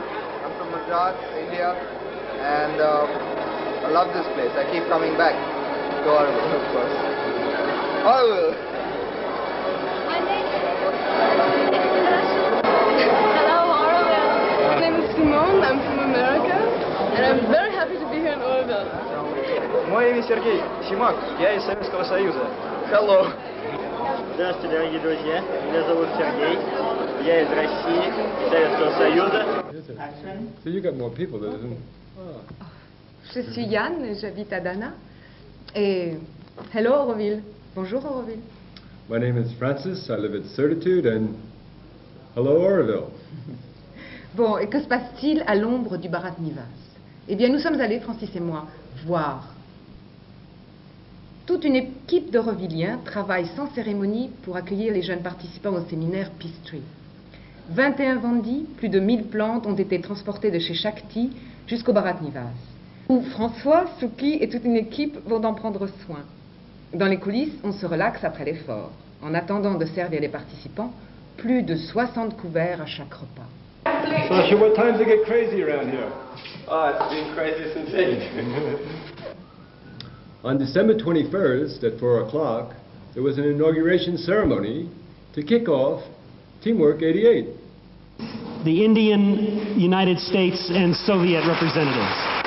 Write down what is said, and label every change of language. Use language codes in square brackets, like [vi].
[en] I'm from Madras, India, and I love this place. I keep coming back to Oroville, of course. Oroville. Hello, Oroville. My name is Simone. I'm from America, and I'm very happy to be here in Oroville. [ru] Мое имя Сергей Симак, я из Советского Союза. [en] Hello. [ru] Здравствуйте, дорогие друзья. Меня зовут Сергей. Я из России, Советского Союза. [en] So you got more people, though, isn't it? [fr] Je suis Yann, j'habite à Dana. Et hello, Oroville. Bonjour, Oroville. [en] My name is Francis, I live at Certitude, and hello, Oroville. [fr] Bon, et que se passe-t-il à l'ombre du Bharat Nivas? Eh bien, nous sommes allés, Francis et moi, voir. Toute une équipe d'Auroviliens travaille sans cérémonie pour accueillir les jeunes participants au séminaire Peace Tree. 21 vendis, plus de 1000 plantes ont été transportées de chez Shakti jusqu'au Bharat Nivas, où François, Suki et toute une équipe vont en prendre soin. Dans les coulisses, on se relaxe après l'effort. En attendant de servir les participants, plus de 60 couverts à chaque repas. [en] Sasha, what time does it get crazy around here? Oh, it's been crazy since 8. On December 21st at 4 o'clock, there was an inauguration ceremony to kick off Teamwork 88. The Indian, United States, and Soviet representatives.